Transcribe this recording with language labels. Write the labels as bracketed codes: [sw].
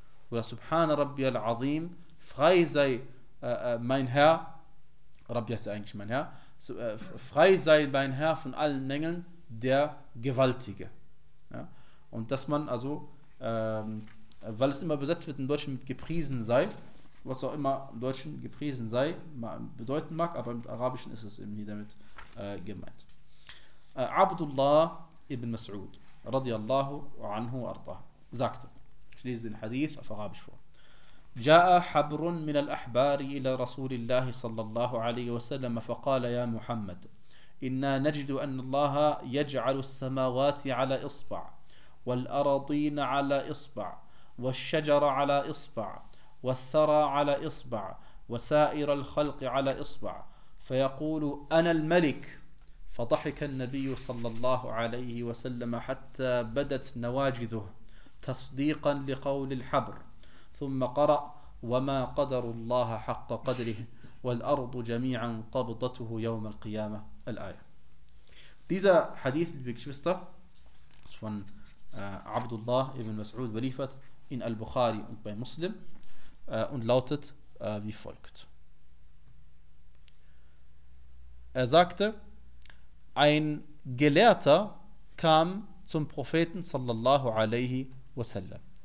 [de] Oder [ar] subhana rabbi al-azim, [de] frei sei mein Herr, Rabbi ist eigentlich mein Herr, so, frei sei mein Herr von allen Mängeln, der Gewaltige. Ja? Und dass man also, weil es immer besetzt wird im Deutschen mit gepriesen sei, was auch immer im Deutschen gepriesen sei bedeuten mag, aber im Arabischen ist es eben nie damit gemeint. [ar] Abdullah ibn Mas'ud, radiallahu anhu arda, [de] sagte, ich lese den Hadith auf Arabisch vor, [ar] جاء حبر من الأحبار إلى رسول الله صلى الله عليه وسلم فقال يا محمد إنا نجد أن الله يجعل السماوات على إصبع والأراضين على إصبع والشجر على إصبع والثرى على إصبع وسائر الخلق على إصبع فيقول أنا الملك فضحك النبي صلى الله عليه وسلم حتى بدت نواجذه تصديقا لقول الحبر ثم قرأ وما قدر الله حق قدره والأرض جميعا قبضته يوم القيامة الآية. [de] Dieser Hadith, liebe Geschwister, ist von Abdullah ibn Mas'ud überliefert in Al-Bukhari und bei Muslim und lautet wie folgt. Er sagte, ein Gelehrter kam zum Propheten sallallahu alaihi wasallam.